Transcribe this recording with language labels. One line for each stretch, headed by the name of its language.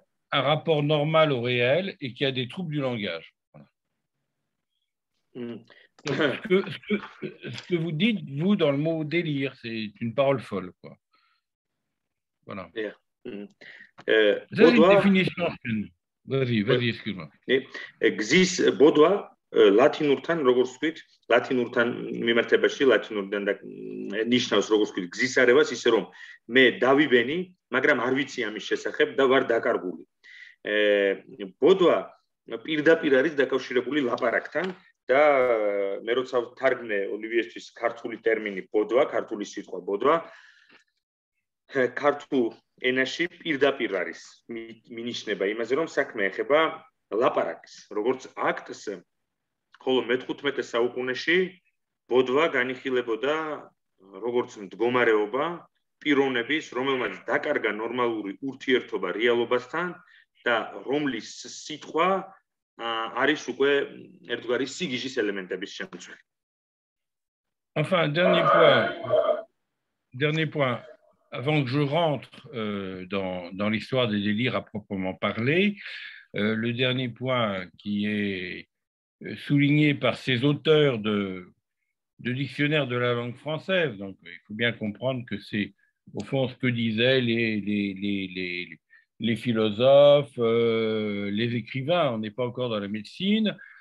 French: un rapport normal au réel et qui a des troubles du langage. Voilà. Ce que vous dites, vous, dans le mot délire, c'est une parole folle, quoi. Voilà. Vous avez une définition. Vas-y, excuse-moi. Existe Baudouin.
Georgian: Latinurtan, როგორც ვთქვით, ლათინურთან მიმართებაში, ლათინურიდან და ნიშნავს, როგორც ვთქვით, გზის არევას, ისე რომ მე დავიბენი, მაგრამ არ ვიცი ამის შესახებ და ვარ დაკარგული. ბოდვა პირდაპირ არის დაკავშირებული ლაპარაკთან და მე როცა ვთარგმნე ოლივიესთვის ქართული ტერმინი ბოდვა, ქართული სიტყვა ბოდვა, ქართულ ენაში პირდაპირ არის მინიშნება იმაზე, რომ საქმე ეხება ლაპარაკს, როგორც აქტს. Colo metchut mete saukuneshi, bodva ganichilebo da როგორც მდგომარეობა პიროვნების, რომელმაც დაკარგა ნორმალური ურთიერთობა რეალობასთან და რომლის სიტყვა არის უკვე ერთგვარი სიგიჟის ელემენტების შემცველი.
French: Enfin, dernier point, avant que je rentre dans l'histoire des délires à proprement parler, le dernier point qui est souligné par ces auteurs de dictionnaires de la langue française, donc il faut bien comprendre que c'est au fond ce que disaient les philosophes, les écrivains, on n'est pas encore dans la médecine.